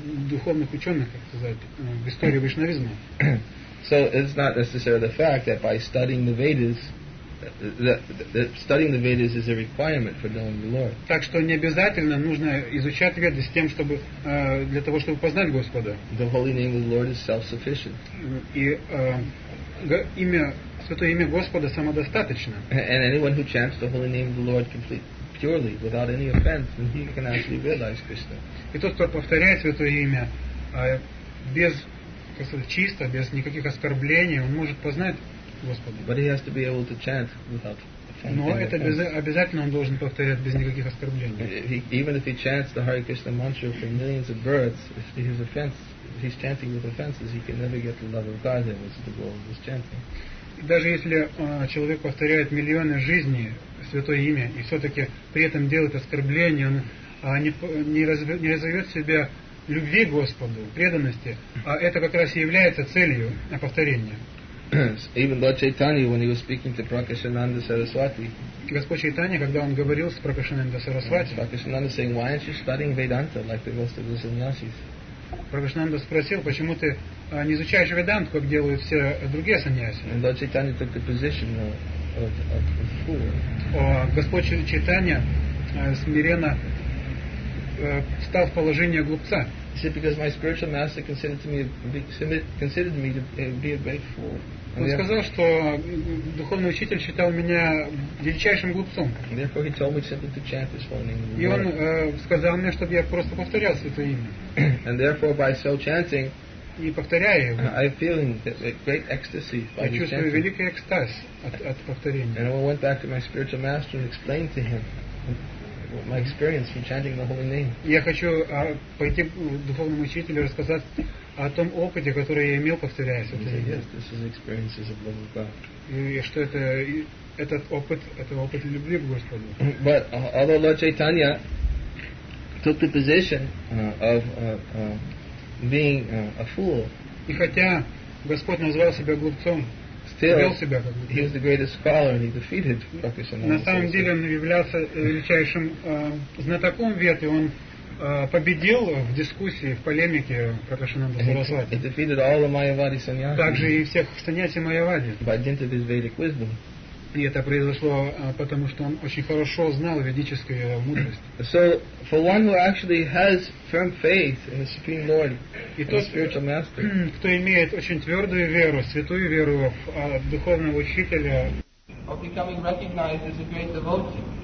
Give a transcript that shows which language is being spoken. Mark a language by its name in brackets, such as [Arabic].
[Russian] Духовных ученых, как сказать, в истории вайшнавизма. [English] So it's not necessarily the fact that by studying the Vedas, that studying the Vedas is a requirement for knowing the Lord. [Russian] Так что не обязательно нужно изучать Веды с тем, чтобы для того, чтобы познать Господа. [English] The holy name of the Lord is self-sufficient. [Russian] И имя Святое имя Господа самодостаточно. [English] And anyone who chants the holy name of the Lord completely. Purely, without any offense, then he can actually realize Krishna. [Russian] И тот, кто повторяет Святое имя без, как сказать, чисто, без никаких оскорблений, он может познать Господа. [English] But he has to be able to chant without offense. [Russian] Но это обязательно он должен повторять без никаких оскорблений. [English] Even if he chants the Hare Krishna mantra for millions of births, if he has offense, if he's chanting with offenses, he can never get the love of God. That was the goal of his chanting. [Russian] Даже если человек повторяет миллионы жизней Святое имя, и все-таки при этом делает оскорбление, он не разовьет себя любви к Господу, преданности, а это как раз и является целью повторения. [English] Even Lord Chaitanya, when he was speaking to Prakashananda Saraswati, [Russian] Господь Чайтанья, когда он говорил с Пракашананда Сарасвати, [English] Prakashananda saying, why aren't you studying Vedanta like the rest of the sannyasis? [Russian] Прабхушнанда спросил, почему ты не изучаешь Веданту, как делают все другие саньяси. [English] And Lord Chaitanya took the position of a fool. [Russian] Господь Чайтанья смиренно встал в положение глупца. [English] He said, because my spiritual master considered me to be a great fool. [Russian] Он сказал, что духовный учитель считал меня величайшим глупцом. [English] Therefore, he told me simply to chant his holy name. [Russian] И он сказал мне, чтобы я просто повторял Святое имя. [English] And therefore, by so chanting, [Russian] и повторяю его. [English] I feel in great ecstasy. [Russian] Я чувствую великий экстаз от повторения. [English] And I went back to my spiritual master and explained to him my experience from chanting the holy name. [Russian] Я хочу пойти к духовному учителю рассказать о том опыте, который я имел, повторяясь это. [English] Yes, this is experiences of love of God. [Russian] И что это этот опыт, это опыт любви к Господу. [English] But although Lord Chaitanya took the position of being a fool, [Russian] и хотя Господь назвал себя глупцом, [English] still, he was the greatest scholar, and he defeated Prakasananda. [Russian] На самом деле он являлся величайшим знатоком ветви. Он победил в дискуссии, в полемике Прокашананда Сарасвати. [English] He defeated all the Mayavadi sannyasis. [Russian] Также и всех саньяси Майявади. [English] By dint of his Vedic wisdom. [Russian] И это произошло потому, что он очень хорошо знал ведическую мудрость. [English] So for one who actually has firm faith in the Supreme Lord, in the spiritual master, [Russian] кто имеет очень твердую веру, святую веру в духовного учителя, [English] of becoming recognized as a great devotee.